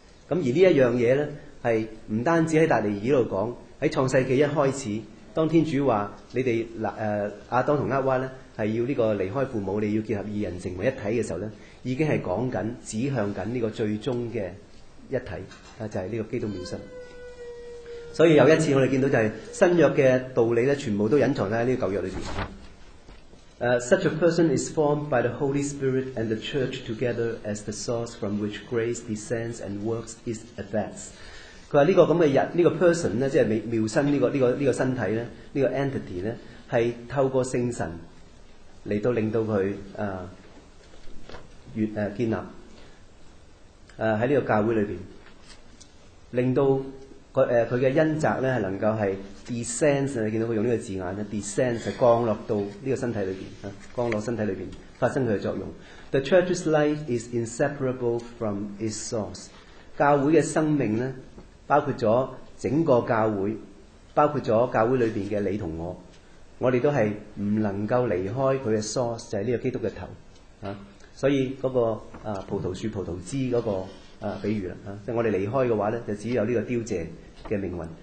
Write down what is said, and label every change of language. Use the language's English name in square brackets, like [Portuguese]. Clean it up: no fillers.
[Chinese] 而这样东西呢，是不单止在大尼尔讲，在创世纪一开始，当天主说你们亚当和厄娃呢，是要这个离开父母，你要结合二人成为一体的时候呢，已经是讲紧指向紧这个最终的一体，就是这个基督妙身。所以有一次我们见到，就是新约的道理呢，全部都隐藏在这个旧约里面。 [English] Such a person is formed by the Holy Spirit and the Church together as the source from which grace descends and works its effects. [Chinese] 他说这个这样的人，这个 person 呢，即是妙身这个身体呢，这个 entity 呢，是透过圣神来到令到他建立在这个教会里面，令到他的恩泽呢，是能够是 descends， 你看到他用这个字眼 descends， 是降落到这个身体里面，降落身体里面发生他的作用。 [English] The church's life is inseparable from its source。 [Chinese] 教会的生命呢，包括了整个教会，包括了教会里面的你和我，我们都是不能够离开他的 source， 就是这个基督的头。所以那个葡萄树葡萄枝那个比喻，就是我们离开的话呢，就只有这个凋谢的命运。